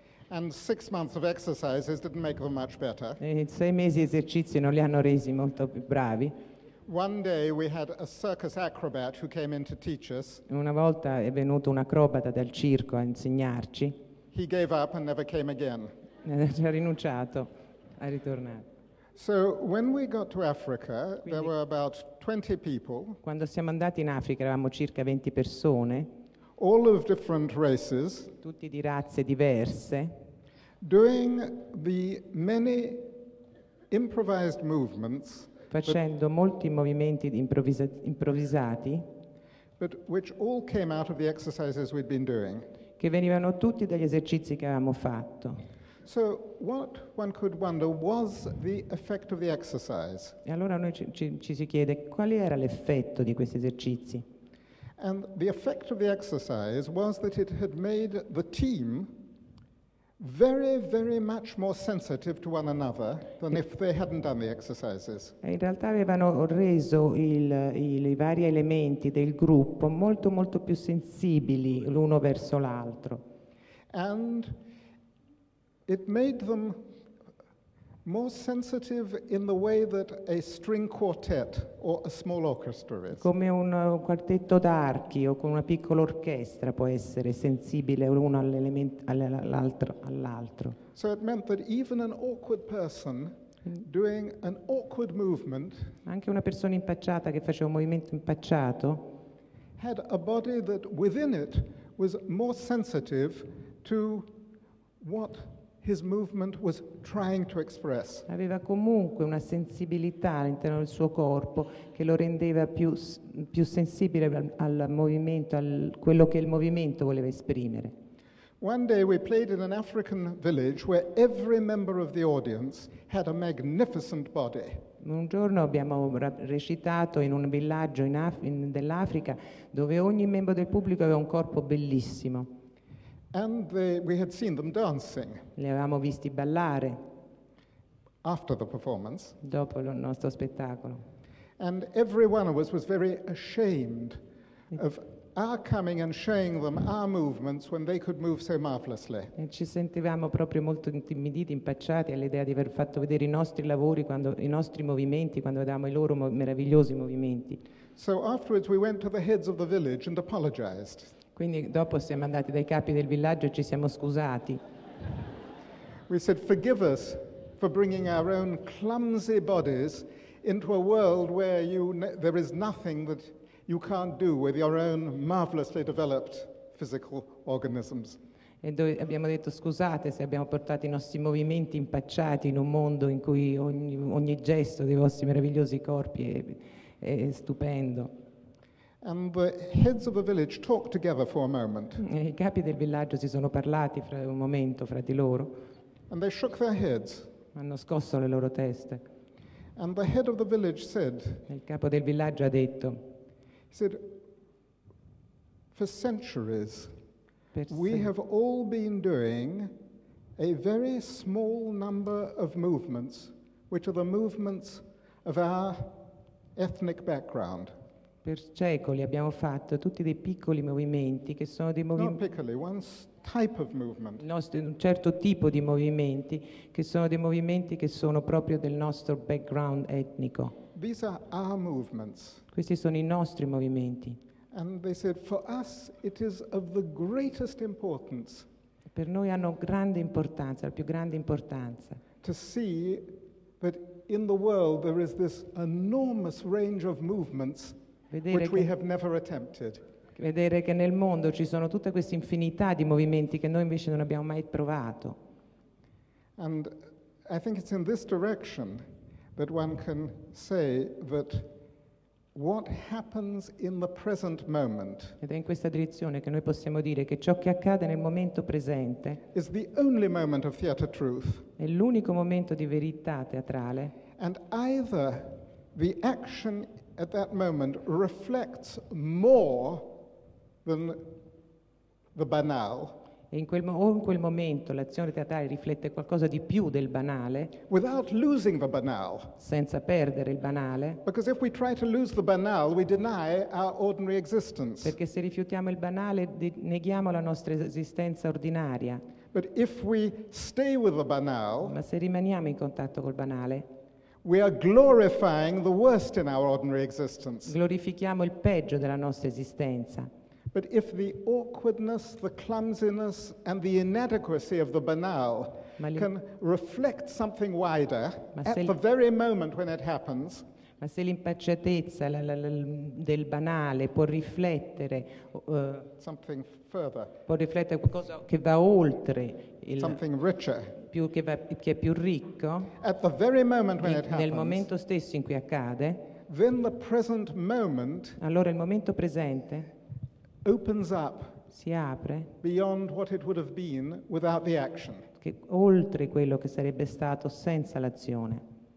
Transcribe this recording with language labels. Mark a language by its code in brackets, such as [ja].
[en] and six months of exercises didn't make them much better. [it] E sei mesi di esercizi non li hanno resi molto più bravi. [en] One day we had a circus acrobat who came in to teach us. [it] Una volta è venuto un acrobata dal circo a insegnarci. [en] He gave up and never came again. [it] Ha rinunciato a ritornare. [en] So when we got to Africa, quindi, there were about 20 people. [it] Quando siamo andati in Africa eravamo circa 20 persone. [en] All of different races. [it] Tutti di razze diverse. [en] Doing the many improvised movements. [it] Facendo molti movimenti improvvisati. [en] But which all came out of the exercises we'd been doing. [it] Che venivano tutti dagli esercizi che avevamo fatto. [en] So what one could wonder was the effect of the exercise. [it] E allora noi ci si chiede qual era l'effetto di questi esercizi. [en] And the effect of the exercise was that it had made the team very, very much more sensitive to one another than if they hadn't done the exercises. [it] E in realtà avevano reso i vari elementi del gruppo molto, molto più sensibili l'uno verso l'altro. [en] And it made them more sensitive in the way that a string quartet or a small orchestra is. [it] Come un quartetto d'archi o con una piccola orchestra può essere sensibile l'uno all'altro. [en] So it meant that even an awkward person doing an awkward movement. [it] Anche una persona impacciata che faceva un movimento impacciato. [en] Had a body that within it was more sensitive to what his movement was trying to express. [it] Aveva comunque una sensibilità all'interno del suo corpo che lo rendeva più sensibile al movimento, al quello che il movimento voleva esprimere. [en] One day we played in an African village where every member of the audience had a magnificent body. [it] Un giorno abbiamo recitato in un villaggio dell'Africa dove ogni membro del pubblico aveva un corpo bellissimo. [en] And we had seen them dancing. [it] Li avevamo visti ballare. [en] After the performance. [it] Dopo il nostro spettacolo. [en] And every one of us was very ashamed of our coming and showing them our movements when they could move so marvelously. [it] E ci sentivamo proprio molto intimiditi, impacciati all'idea di aver fatto vedere i nostri lavori quando i nostri movimenti quando vedevamo i loro meravigliosi movimenti. [en] So afterwards we went to the heads of the village and apologized. [it] Quindi dopo siamo andati dai capi del villaggio e ci siamo scusati. [en] We said, forgive us for bringing our own clumsy bodies into a world where you there is nothing that you can't do with your own marvelously developed physical organisms. [it] E dove abbiamo detto scusate se abbiamo portato i nostri movimenti impacciati in un mondo in cui ogni gesto dei vostri meravigliosi corpi è stupendo. [en] And the heads of the village talked together for a moment. [it] E i capi del villaggio si sono parlati fra un momento fra di loro. [en] And they shook their heads. [it] Hanno scosso le loro teste. [en] And the head of the village said. [it] Il capo del villaggio ha detto. [en] He said, for centuries. We have all been doing a very small number of movements, which are the movements of our ethnic background. [it] Per secoli abbiamo fatto tutti dei piccoli movimenti che sono dei movimenti. [en] Not piccoli, one type of movement. [it] Un certo tipo di movimenti che sono dei movimenti che sono proprio del nostro background etnico. [en] These are our movements. [it] Questi sono i nostri movimenti. [en] And they said, for us, it is of the greatest importance. [it] Per noi hanno grande importanza, la più grande importanza. [en] To see that in the world there is this enormous range of movements which we have never attempted. [it] Vedere che nel mondo ci sono tutta questa infinità di movimenti che noi invece non abbiamo mai provato. [en] And I think it's in this direction that one can say that. What happens in the present moment? [it] Ed è in questa direzione che noi possiamo dire che ciò che accade nel momento presente [en] is the only moment of theater truth. [it] È l'unico momento di verità teatrale. [en] And either the action at that moment reflects more than the banal. [it] E in quel momento l'azione teatrale riflette qualcosa di più del banale. [en] Without losing the banal. [it] Senza perdere il banale. [en] Because if we try to lose the banal, we deny our ordinary existence. [it] Perché se rifiutiamo il banale, neghiamo la nostra esistenza ordinaria. [en] But if we stay with the banal. [it] Ma se rimaniamo in contatto col banale. [en] We are glorifying the worst in our ordinary existence. [it] Glorifichiamo il peggio della nostra esistenza. [en] But if the awkwardness, the clumsiness, and the inadequacy of the banal can reflect something wider at the very moment when it happens, [it] ma se l'impacciatezza del banale può riflettere [en] something further, [it] può riflettere qualcosa che va oltre il [en] something richer, [it] che è più ricco, [en] at the very moment when it happens, [it] nel momento stesso in cui accade, [en] then the present moment, [it] allora il momento presente. [en] Opens up [it] si apre [en] beyond what it would have been without the action. [it] Che oltre quello che sarebbe stato senza l'azione.